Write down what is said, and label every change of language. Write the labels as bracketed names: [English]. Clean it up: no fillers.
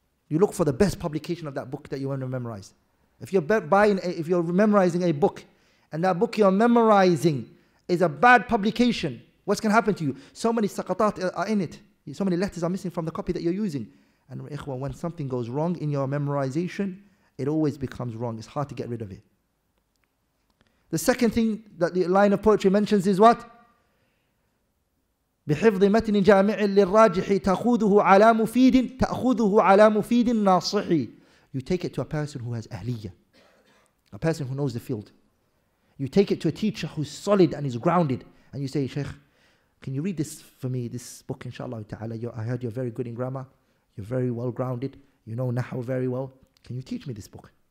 [English] You look for the best publication of that book that you want to memorize. If you're buying, if you're memorizing a book, and that book you're memorizing is a bad publication, what's going to happen to you? So many saqatat are in it. So many letters are missing from the copy that you're using. And ikhwan, when something goes wrong in your memorization, it always becomes wrong. It's hard to get rid of it. The second thing that the line of poetry mentions is what? [Arabic] بحفظ متن جامع للراجح تأخذه على مفيد تأخذه على مفيد ناصحي. [English] You take it to a person who has ahliya, a person who knows the field. You take it to a teacher who's solid and is grounded, and you say, Shaykh, can you read this for me, this book, inshallah ta'ala? I heard you're very good in grammar, you're very well grounded, you know Nahu very well, can you teach me this book?